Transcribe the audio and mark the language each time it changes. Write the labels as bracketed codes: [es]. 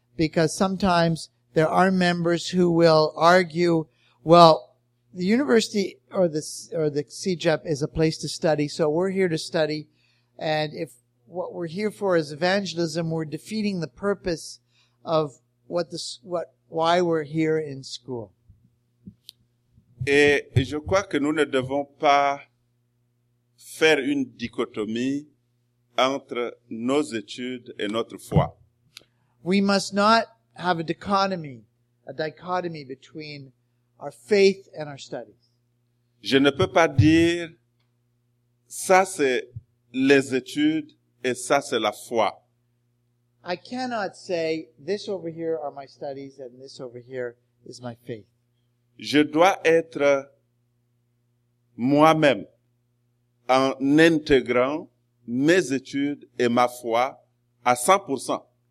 [en] Because sometimes there are members who will argue, well, the university or the CJEP is a place to study, so we're here to study, and if what we're here for is evangelism, we're defeating the purpose of why we're here in school. [fr] Et je crois que nous ne devons pas faire une dichotomie entre nos études et notre foi. [en] We must not have a dichotomy between our faith and our studies. [fr] Je ne peux pas dire ça c'est les études et ça, c'est la foi. [en] I cannot say this over here are my studies and this over here is my faith. [fr] Je dois être moi-même en intégrant mes études et ma foi à 100%.